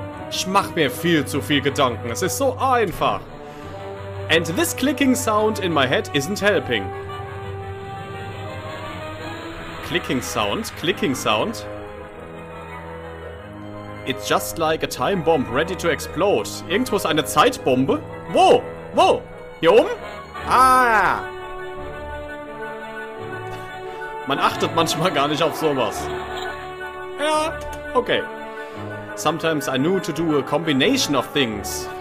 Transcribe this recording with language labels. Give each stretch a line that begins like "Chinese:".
German: Ich mach mir viel zu viel Gedanken. Es ist so einfach.
English: And this clicking sound in my head isn't helping. Clicking sound, clicking sound. It's just like a time bomb ready to explode.
German: Irgendwo ist eine Zeitbombe. Wo? Wo? Hier oben? Ah! Man achtet manchmal gar nicht auf sowas. Ja, okay.
English: Sometimes I need to do a combination of things.